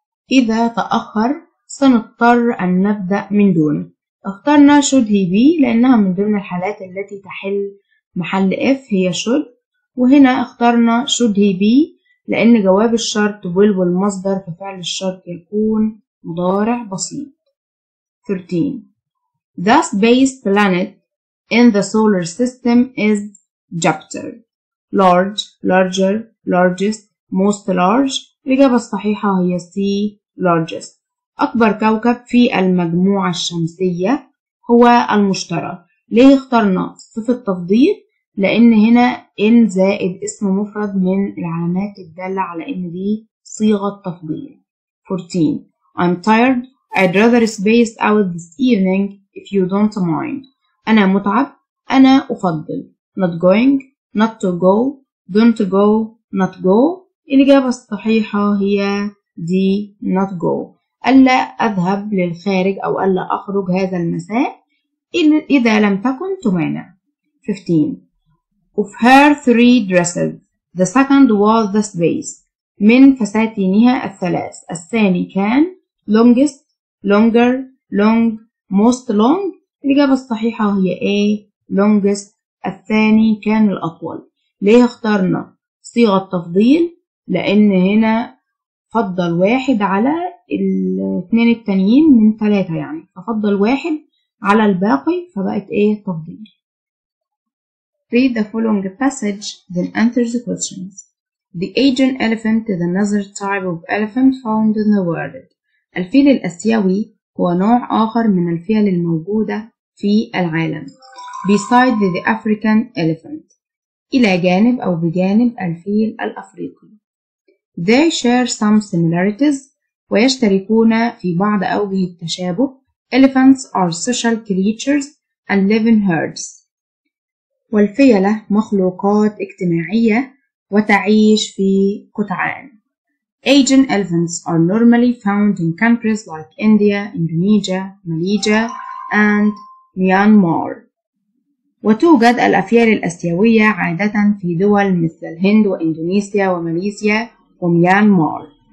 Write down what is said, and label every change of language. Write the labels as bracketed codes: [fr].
[ar] إذا تأخر سنضطر أن نبدأ من دونه. اخترنا [en] should he be [ar] لأنها من ضمن الحالات التي تحل محل F هي should. وهنا اخترنا [en] should he be [ar] لأن جواب الشرط will والمصدر في فعل الشرط يكون مضارع بسيط. 13. [en] The space planet in the solar system is Jupiter. Large, larger, largest, most large. [ar] الإجابة الصحيحة هي C. Largest. أكبر كوكب في المجموعة الشمسية هو المشتري. ليه اخترنا صفة التفضيل؟ لأن هنا إن زائد اسم مفرد من العلامات الدالة على إن دي صيغة تفضيل. [en] 14. I'm tired. I'd rather space out this evening if you don't mind. [ar] أنا متعب. أنا أفضل. [en] Not going. Not to go. Don't go. Not go. [ar] الإجابة الصحيحة هي D. Not go. ألا أذهب للخارج أو ألا أخرج هذا المساء إذا لم تكن تمانع. 15. [en] Of her three dresses, the second was the space. [ar] من فساتينها الثلاث. الثاني كان [en] longest, longer, long, most long. [ar] الإجابة الصحيحة هي A. Longest. الثاني كان الأطول. ليه اخترنا صيغة تفضيل؟ لأن هنا فضل واحد على الاثنين التانيين من ثلاثة يعني. ففضل واحد على الباقي فبقت A تفضيل. [en] Read the following passage, then answer the questions. The Asian elephant is another type of elephant found in the world. [ar] الفيل الآسيوي هو نوع آخر من الفيل الموجودة في العالم. [en] Beside the African elephant. [ar] إلى جانب أو بجانب الفيل الأفريقي. [en] They share some similarities. [ar] ويشتركون في بعض أوجه التشابه. [en] Elephants are social creatures and live in herds. [ar] والفيلة مخلوقات اجتماعية وتعيش في قطعان. [en] Asian elephants are normally found in countries like India, Indonesia, Malaysia, and Myanmar. [ar] وتوجد الأفيال الآسيوية عادة في دول مثل الهند وإندونيسيا وماليزيا وميانمار.